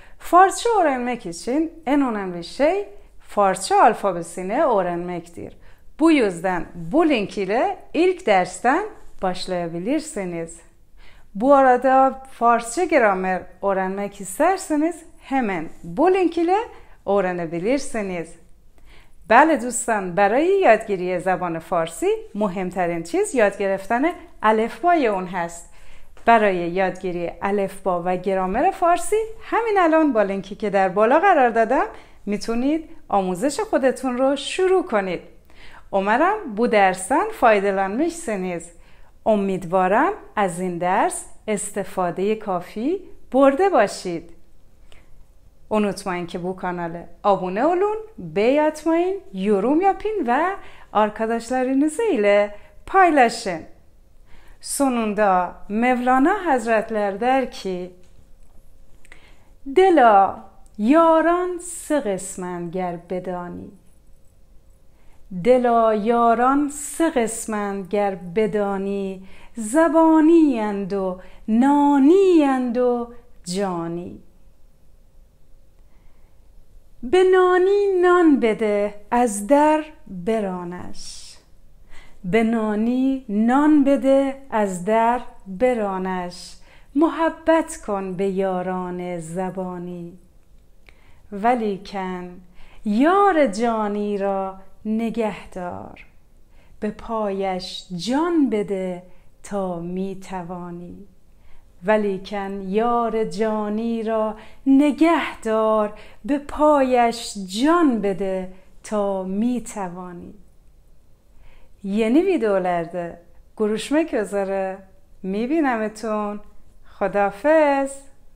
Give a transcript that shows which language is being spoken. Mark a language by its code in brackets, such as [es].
[tr] Farsça öğrenmek için en önemli şey Farsça alfabesini öğrenmektir. Bu yüzden bu link ile ilk dersten başlayabilirsiniz. Bu arada Farsça gramer öğrenmek isterseniz hemen bu link ile öğrenebilirsiniz. [fa] Bale dostan, برای یادگیری زبان فارسی مهمترین چیز یاد گرفتن الفبای اون هست. برای یادگیری الفبا و گرامر فارسی همین الان با لینکی که در بالا قرار دادم میتونید آموزش خودتون رو شروع کنید. امیدوارم بو درسن فایده‌مند بشه. امیدوارم از این درس استفاده کافی برده باشید. [tr] Unutmayın ki bu kanala abone olun, beğen atmayın, yorum yapın ve arkadaşlarınız ile paylaşın. Sonunda Mevlana Hazretler der ki, [fa] دلا یاران سه قسمن گر بدانی. دلا یاران سه قسمن گر بدانی، زبانی اند و نانی اند و جانی. به نانی نان بده از در برانش، به نانی نان بده از در برانش، محبت کن به یاران زبانی، ولیکن یار جانی را نگهدار، به پایش جان بده تا می توانی، ولیکن یار جانی را نگهدار، به پایش جان بده تا می توانی. [tr] Yeni videolarda görüşmek üzere. [fa] می بینمتون. خدافظ.